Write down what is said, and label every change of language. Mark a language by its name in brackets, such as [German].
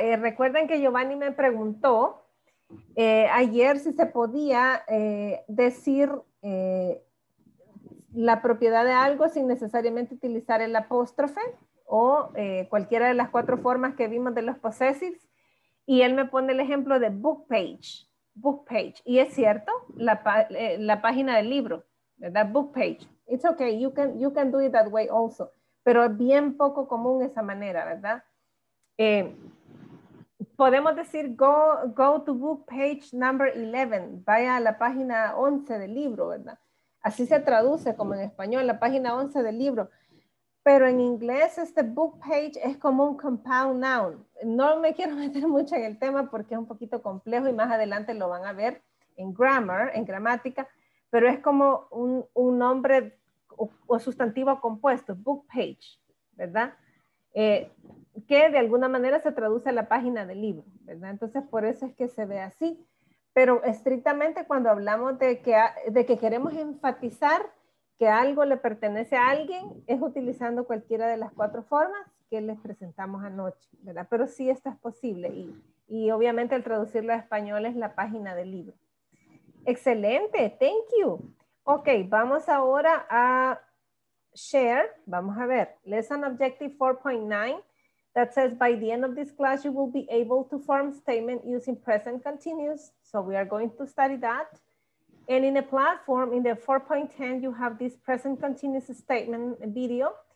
[Spanish] Recuerden que Giovanni me preguntó ayer si se podía decir la propiedad de algo sin necesariamente utilizar el apóstrofe o cualquiera de las 4 formas que vimos de los possessives. Y él me pone el ejemplo de book page. Y es cierto, la página del libro, ¿verdad? [English] Book page. It's okay, you can do it that way also. [Spanish] Pero es bien poco común esa manera, ¿verdad? Podemos decir [English] go to book page number 11. [Spanish] Vaya a la página 11 del libro, ¿verdad? Así se traduce como en español, la página 11 del libro. Pero en inglés este book page es como un compound noun. No me quiero meter mucho en el tema porque es un poquito complejo y más adelante lo van a ver en grammar, en gramática, pero es como un nombre o sustantivo compuesto, book page, ¿verdad? Que de alguna manera se traduce a la página del libro, ¿verdad? Entonces por eso es que se ve así. Pero estrictamente cuando hablamos de que queremos enfatizar que algo le pertenece a alguien, es utilizando cualquiera de las 4 formas que les presentamos anoche, ¿verdad? Pero sí esto es posible y obviamente el traducirlo a español es la página del libro. [English] ¡Excelente! ¡Thank you! Ok, [Spanish] vamos ahora a share, vamos a ver, [English] Lesson Objective 4.9 that says by the end of this class you will be able to form statement using present continuous, so we are going to study that. And in a platform, in the 4.10, you have this present continuous statement video.